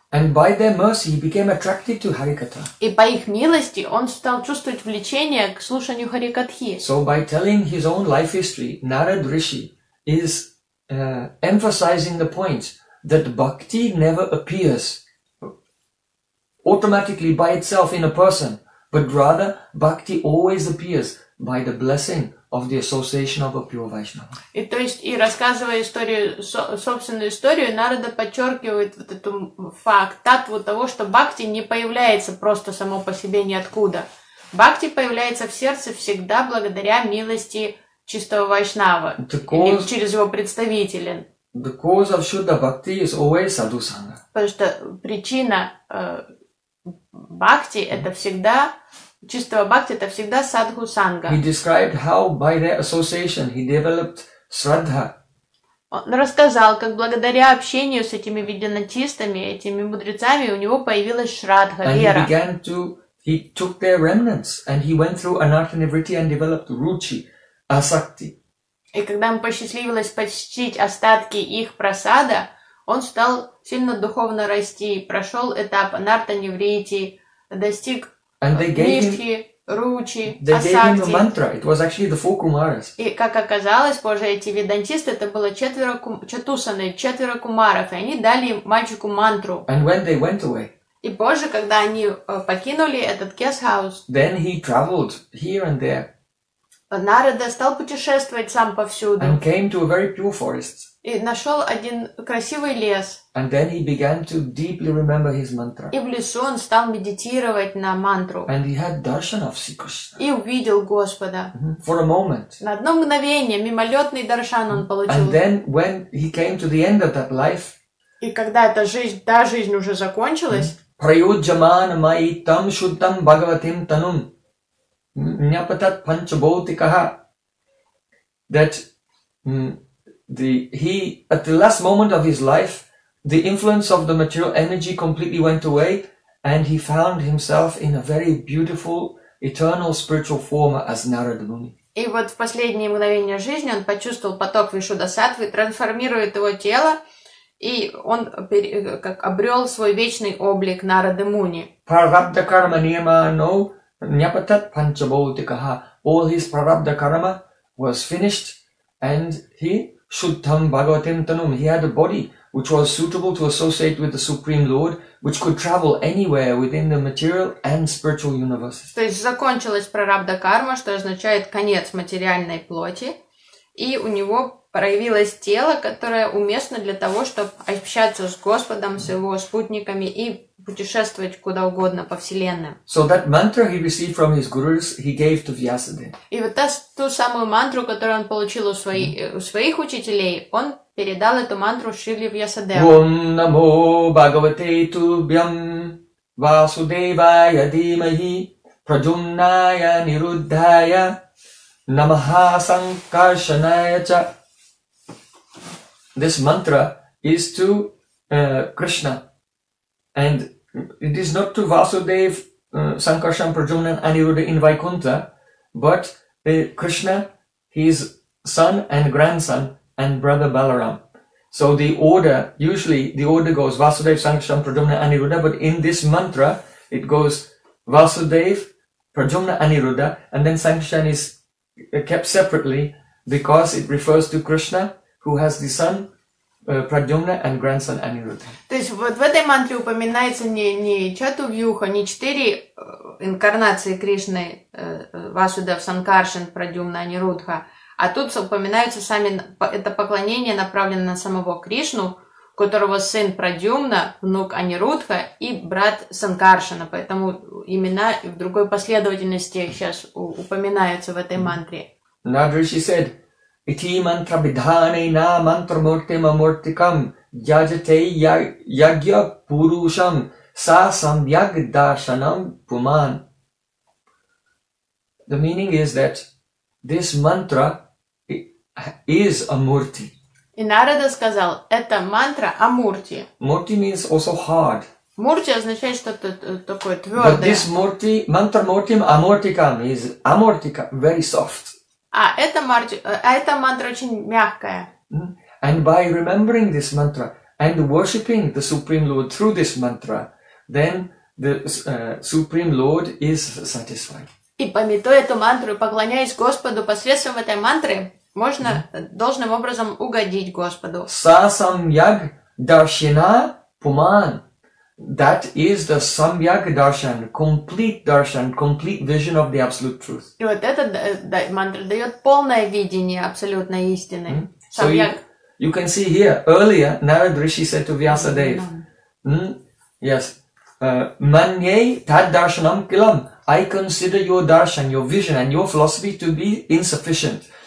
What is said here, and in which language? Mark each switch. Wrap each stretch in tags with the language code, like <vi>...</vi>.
<en>And by their mercy he became attracted to Harikatha.</en> <ru>И по их милости он стал чувствовать влечение к слушанию Харикатхи.</ru> <en>So by telling his own life history, Narad Rishi is emphasizing the point that bhakti never appears automatically by itself in a person, but rather bhakti always appears by the blessing of the association of a pure Vaishnava.</en> <ru>И то есть, и рассказывая историю, собственную историю, Нарада подчеркивает вот эту факт, татву того, что бхакти не появляется просто само по себе ниоткуда. Бхакти появляется в сердце всегда благодаря милости чистого Вайшнава, или через его представителя.</ru> <en>The cause of Shuddha Bhakti is always Sadhu Sangha.</en> <ru>Потому что причина бхакти это всегда чистого бхакти это всегда Садху Санга.</ru> <en>He described how by their association he developed Shraddha.</en> <ru>Он рассказал, как благодаря общению с этими веданатистами, этими мудрецами, у него появилась Шраддха,</ru> <en>and</en> <ru>вера.</ru> <en>He began to he took their remnants and he went through Anartha Nivritti and developed Ruchi, Asakti.</en> <ru>И когда ему посчастливилось посетить остатки их просада, он стал сильно духовно расти, прошел этап анартха-нивритти, достиг нишхи. Ручи,</ru> <en>The Devi</en> <ru>Асакти.</ru> <en>Mantra, it was actually the four Kumaras.</en> <ru>И как оказалось позже, эти ведантисты, это было четверо Чатусаны, четверо кумаров, и они дали мальчику мантру. And when they went away. И позже, когда они покинули этот guest house.</ru> <en>Then he traveled here and there.</en> <ru>Нарада стал путешествовать сам повсюду.</ru> <en>And came to a very pure forest.</en> <ru>И нашел один красивый лес.</ru> <en>And then he began to deeply remember his mantra.</en> <ru>И в лесу он стал медитировать на мантру.</ru> <en>And he had darshan of Sri Krishna.</en> <ru>И увидел Господа.</ru> <en>For a moment.</en> <ru>На одно мгновение, мимолетный даршан он получил.</ru> <en>And then when he came to the end of that life.</en> <ru>И когда эта жизнь, та жизнь уже закончилась.</ru> <sa>Prayujyamana mayi tam shuddham bhagavatim tanum. Nyapatat panchabhautikaha.</sa> <en>That he at the last moment of his life, the influence of the material energy completely went away, and he found himself in a very beautiful eternal spiritual form as Narada Muni.</en> <ru>И вот в последние мгновения жизни он почувствовал поток Вишудасатвы, трансформирует его тело, и он как обрел свой вечный облик Нарады Муни.</ru> <sa>Prarabdha karma niyama no nyapatat panchabhautikaha.</sa> <en>All his prarabdha karma was finished, and he</en> <sa>Shuddham Bhagavatim Tanum.</sa> <en>He had a body which was suitable to associate with the Supreme Lord, which could travel anywhere within the material and spiritual universe.</en> <ru>То есть закончилась прарабдха карма, что означает конец материальной плоти, и у него проявилось тело, которое уместно для того, чтобы общаться с Господом, с его спутниками и путешествовать куда угодно по вселенной.</ru> <en>So that mantra he received from his gurus, he gave to Vyasadeva.</en> <ru>И вот ту самую мантру, которую он получил у своих учителей, он передал эту мантру Шриле Вьясадеве.</ru> <sa>Ом намо Бхагавате Тубьям Васудевая Димахи Праджумная Нируддхая Намаха Санкаршаная Ча.</sa> <en>This mantra is to Krishna, and it is not to Vasudev, Sankarshan, Prajumna, Aniruddha in Vaikuntha, but Krishna, his son and grandson, and brother Balaram. So the order, usually the order goes Vasudev, Sankarshan, Prajumna, Aniruddha, but in this mantra, it goes Vasudev, Prajumna, Aniruddha, and then Sankarshan is kept separately because it refers to Krishna, who has the son, Pradyumna, and grandson Aniruddha.</en> <ru>То есть вот в этой мантре упоминается не Чатувьюха, не четыре инкарнации Кришны, Васудев, Санкаршан, Прадюмна, Анирудха, а тут упоминаются сами, это поклонение направлено на самого Кришну, которого сын Прадюмна, внук Анирудха и брат Санкаршана, поэтому имена в другой последовательности сейчас упоминаются в этой мантре.</ru> <sa>Надриши said, Iti mantra bidhane na mantra murti ma murtikam yajate yagya purusham sa samyag darshanam puman.</sa> <en>The meaning is that this mantra is a murti.</en> <ru>И Нарада сказал, это мантра о мурти.</ru> <en>Murti means also hard.</en> <ru>Murti означает что-то такое твердое.</ru> <en>But this murti,</en> <sa>mantra murti ma murtikam</sa> <en>is amurtika, very soft.</en> <ru>А эта, эта мантра очень мягкая.</ru> <en>And by remembering this mantra and worshipping the Supreme Lord through this mantra, then the Supreme Lord is satisfied.</en> <ru>И памятуя эту мантру, поклоняясь Господу посредством этой мантры, можно должным образом угодить Господу.</ru> <sa>Са самьяг даршина пуман.</sa> <en>That is the Samyak Darshan, complete Darshan, complete vision of the Absolute Truth.</en> <ru>И вот эта мантра дает полное видение Абсолютной Истины.</ru> <en>So you can see here, earlier, Narad Rishi said to Vyasadeva,</en> <sa>Manye tad darshanam kilam,</sa> <en>I consider your darshan, your vision and your philosophy to be insufficient.</en>